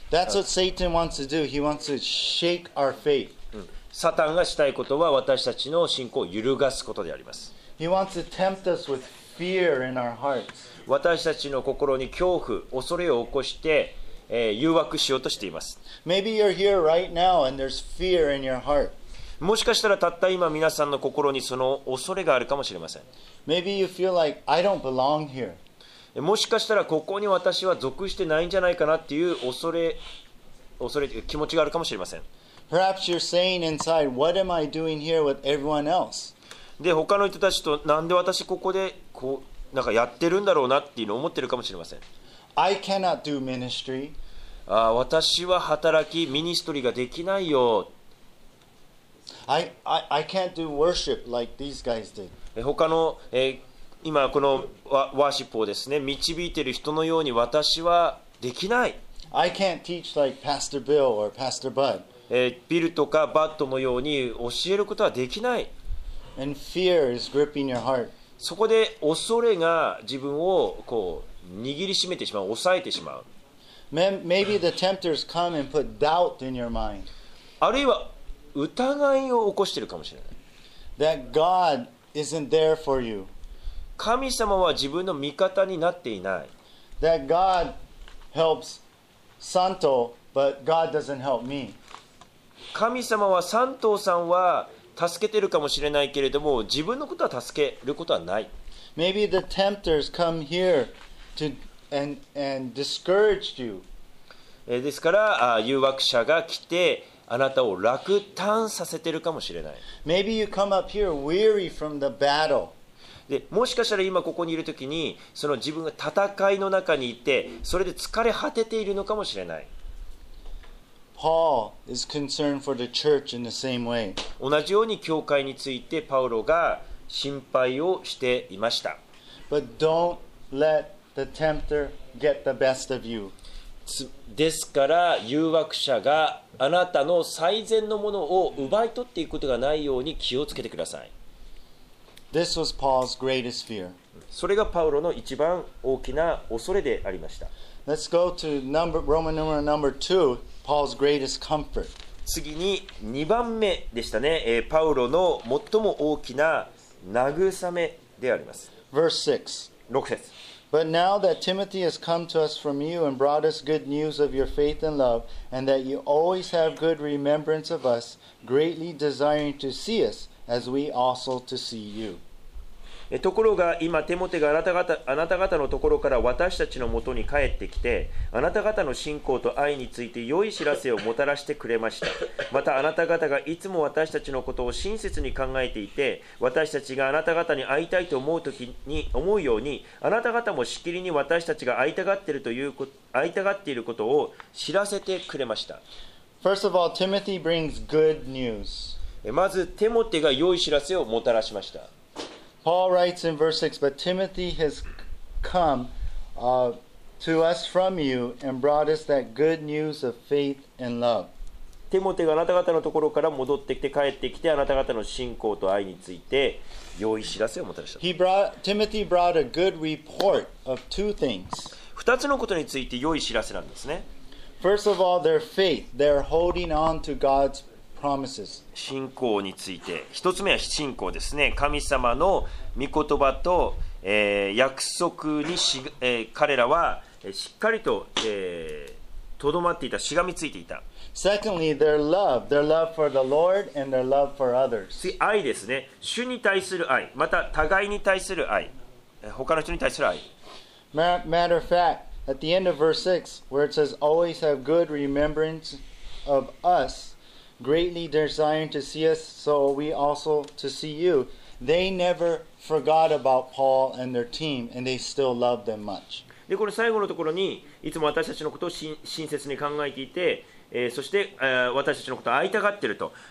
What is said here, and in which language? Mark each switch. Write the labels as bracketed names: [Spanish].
[English] That's what Satan wants to do. He wants to shake our faith. [Japanese] サタンがしたいことは私たちの信仰を揺るがすことであります。 [English] He wants to tempt us with fear in our hearts. [Japanese] 私たちの心に恐怖、恐れを起こして、誘惑しようとしています。 [English] Maybe you're here right now and there's fear in your heart. [Japanese] もしかしたらたった今皆さんの心にその恐れがあるかもしれません。 [English] Maybe you feel like I don't belong here. [Japanese] もしかしたらここに私は属してないんじゃないかなっていう恐れ気持ちがあるかもしれません。 [English] Perhaps you're saying inside, what am I doing here with everyone else? [Japanese] で他の人たちとなんで私ここでこうなんかやってるんだろうなっていうのを思ってるかもしれません。 [English] I cannot do ministry. [Japanese] 私は働きミニストリーができないよ。 [English] I can't do worship like these guys did. [Japanese] 他の、今このワーシップをですね導いている人のように私はできない。 [English] I can't teach like Pastor Bill or Pastor Bud. [Japanese] ビルとかバッドのように教えることはできない。 [English] And fear is gripping your heart. [Japanese] そこで恐れが自分をこう握りしめてしまう、抑えてしまう。 [English] Maybe the tempters come and put doubt in your mind. [Japanese] あるいは疑いを起こしているかもしれない。 [English] That God isn't there for you. [Japanese] 神様は自分の味方になっていない。 [English] That God helps Santo, but God doesn't help me. [Japanese] 神様はサントさんは助けているかもしれないけれども自分のことは助けることはない。 [English] Maybe the tempters come here to and discourage you. [Japanese] ですから誘惑者が来てあなたを落胆させてるかもしれない。 [English] Maybe you come up here weary from the battle. [Japanese] でもしかしたら今ここにいるときにその自分が戦いの中にいてそれで疲れ果てているのかもしれない。 [English] Paul is concerned for the church in the same way. [Japanese] 同じように教会についてパウロが心配をしていました。 [English] But don't let the tempter get the best of you. [Japanese] ですから誘惑者があなたの最善のものを奪い取っていくことがないように気をつけてください。 [English] This was Paul's greatest fear. [Japanese] それがパウロの一番大きな恐れでありました。 [English] Let's go to Roman number 2, Paul's greatest comfort. [Japanese] 次に2番目でしたね、パウロの最も大きな慰めであります。 [English] Verse 6 [Japanese] 節。 [English] But now that Timothy has come to us from you and brought us good news of your faith and love, and that you always have good remembrance of us, greatly desiring to see us as we also to see you. [Japanese] ところが今テモテがあなた方のところから私たちのもとに帰ってきて、あなた方の信仰と愛について良い知らせをもたらしてくれました。またあなた方がいつも私たちのことを親切に考えていて、私たちがあなた方に会いたいと思うときに思うように、あなた方もしきりに私たちが会いたがっているということ、会いたがっていることを知らせてくれました。 [English] First of all, Timothy brings good news. [Japanese] まずテモテが良い知らせをもたらしました。 [English] Paul writes in verse 6, but Timothy has come to us from you and brought us that good news of faith and love. [Japanese] テモテがあなた方のところから戻ってきて帰ってきて、あなた方の信仰と愛について良い知らせをもたらした。 [English] Timothy brought a good report of two things. [Japanese] 二つのことについて良い知らせなんですね。 [English] First of all, their faith. They're holding on to God's promise. [Japanese] 信仰について、一つ目は信仰ですね。神様の御言葉と、約束にし、彼らはしっかりと、とどまっていた、しがみついていた。 [English] Secondly, their love. Their love for the Lord and their love for others. [Japanese] 愛ですね。主に対する愛、また互いに対する愛、他の人に対する愛。 [English] Matter of fact, at the end of verse 6, where it says, always have good remembrance of us,Greatly desiring to see us, so we also to see you. They never forgot about Paul and their team, and they still love them much. [Japanese] で、この最後のところに、いつも私たちのことを親切に考えていて、そして、私たちのことを会いたがっていると。